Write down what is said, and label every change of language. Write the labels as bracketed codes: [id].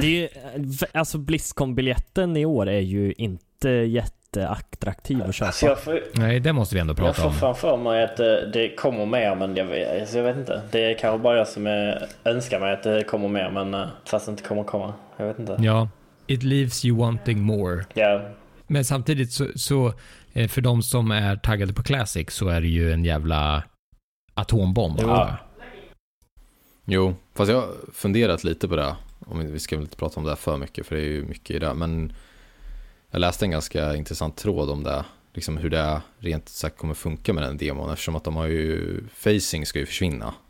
[sv] Det är ju, alltså BlizzCon-biljetten i år är ju inte jätte attraktiv att köpa. Alltså nej, det måste vi ändå prata om. Jag får framför mig att det kommer mer, men jag vet inte. Det är kanske bara jag som önskar mig att det kommer mer, men fast det inte kommer komma. Jag vet inte. [en] Ja, it leaves you wanting more. [sv] Ja. Yeah. Men samtidigt så för de som är taggade på Classic så är det ju en jävla atombomb. Jo, fast jag har funderat lite på det om vi ska väl inte prata om det för mycket, för det är ju mycket i det, men jag läste en ganska intressant tråd om det, liksom hur det rent sagt kommer funka med den demon, eftersom att de har ju facing ska ju försvinna.